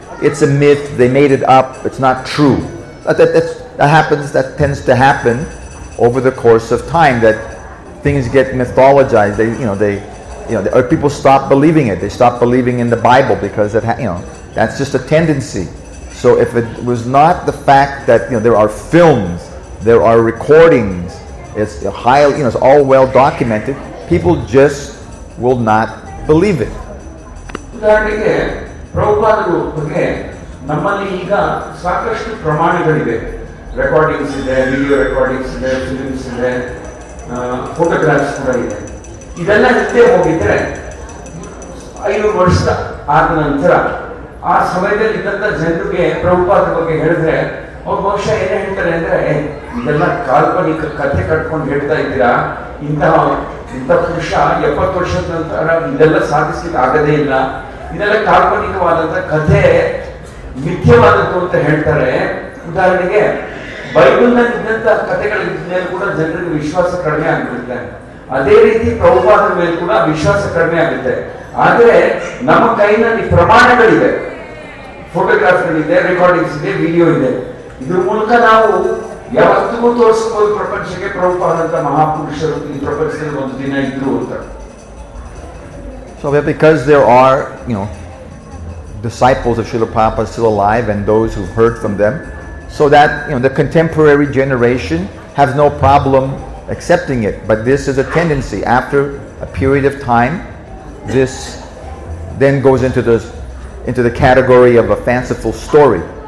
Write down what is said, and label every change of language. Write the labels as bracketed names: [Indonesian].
[English] It's a myth, they made it up, it's not true. That tends to happen over the course of time, that things get mythologized, or people stop believing it. They stop believing in the Bible because that's just a tendency. So if it was not the fact that there are films, there are recordings, it's highly, it's all well documented, people just will not believe it. [Kannada] ಉದಾಹರಣೆಗೆ ಪ್ರಭುಪಾದರು ಬಗ್ಗೆ ನಮ್ಮಲ್ಲಿ ಈಗ ಸಾಕಷ್ಟು ಪ್ರಮಾಣಗಳಿವೆ. Recordings ಇದೆ, video recordings ಇದೆ, films ಇದೆ, photographs ಕೂಡ ಇದೆ. ಇದೆಲ್ಲ ಇದ್ದೇ ಹೋಗಿದ್ರೆ 500 ವರ್ಷ ಆದ ನಂತರ ಆ ಸಮಯದಲ್ಲಿ ಇದ್ದಂಥ ಜನರಿಗೆ ಪ್ರಭುಪಾದ ಬಗ್ಗೆ ಹೇಳಿದ್ರೆ ಅವ್ರು ಬಹುಶಃ ಏನೇ ಹೇಳ್ತಾರೆ ಅಂದರೆ, ಇದೆಲ್ಲ ಕಾಲ್ಪನಿಕ ಕಥೆ ಕಟ್ಕೊಂಡು ಹೇಳ್ತಾ ಇದ್ದೀರಾ, ಇಂಥ ಪುರುಷ 70 ವರ್ಷದ ನಂತರ ಇದೆಲ್ಲ ಸಾಧಿಸಲಿಕ್ಕೆ ಆಗದೇ ಇಲ್ಲ, ಇದೆಲ್ಲ ಕಾಲ್ಪನಿಕವಾದಂಥ ಕಥೆ, ಮಿಥ್ಯವಾದದ್ದು ಅಂತ ಹೇಳ್ತಾರೆ. ಉದಾಹರಣೆಗೆ ಬೈಬಲ್ನಲ್ಲಿ ಇದ್ದಂಥ ಕಥೆಗಳಿದ್ದಲೂ ಕೂಡ ಜನರಿಗೆ ವಿಶ್ವಾಸ ಕಡಿಮೆ ಆಗಿಬಿಡುತ್ತೆ, ಅದೇ ರೀತಿ ಪ್ರಭುಪಾದರ ಮೇಲೆ ಕೂಡ ವಿಶ್ವಾಸ ಕಡಿಮೆ ಆಗುತ್ತೆ. ಆದರೆ ನಮ್ಮ ಕೈನಲ್ಲಿ ಪ್ರಮಾಣಗಳಿವೆ, ಫೋಟೋಗ್ರಾಫ್ಗಳಿದೆ, ರೆಕಾರ್ಡಿಂಗ್ಸ್ ಇದೆ, ವಿಡಿಯೋ ಇದೆ. ಇದ್ರ ಮೂಲಕ ನಾವು ಯಾವತ್ತಿಗೂ ತೋರಿಸ್ಬೋದು ಪ್ರಪಂಚಕ್ಕೆ, ಪ್ರಭುಪಾದಂತ ಮಹಾಪುರುಷರು ಈ ಪ್ರಪಂಚದಲ್ಲಿ ಒಂದು ದಿನ ಇದ್ರು ಅಂತ. [English] So because there are disciples of Srila Prabhupada still alive and those who've heard from them, so that the contemporary generation has no problem accepting it. But this is a tendency. After a period of time, this then goes into the category of a fanciful story.